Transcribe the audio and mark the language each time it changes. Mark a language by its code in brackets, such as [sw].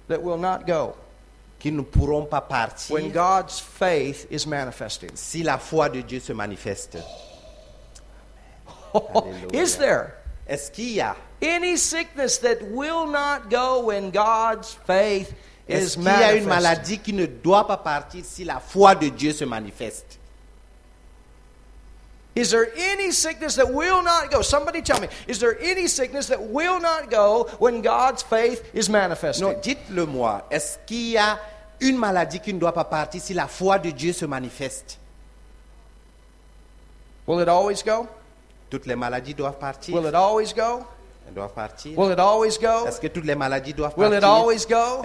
[en] that will not go [fr] qui ne pourront pas partir [en] when God's faith is manifesting? [fr] Si la foi de Dieu se manifeste. [en] Oh, is there? [fr] Est-ce qu'il y a [en] any sickness that will not go when God's faith is manifest? [fr] Est-ce qu'il y a une maladie qui ne doit pas partir si la foi de Dieu se manifeste? [en] Is there any sickness that will not go? Somebody tell me. Is there any sickness that will not go when God's faith is manifested? [fr] Non, dites-le-moi. Est-ce qu'il y a une maladie qui ne doit pas partir si la foi de Dieu se manifeste? [en] Will it always go? [fr] Toutes les maladies doivent partir. [en] Will it always go? [fr] Elles doivent partir. [en] Will it always go? [fr] Est-ce que toutes les maladies doivent [en] will [fr] partir? [en] Will it always go?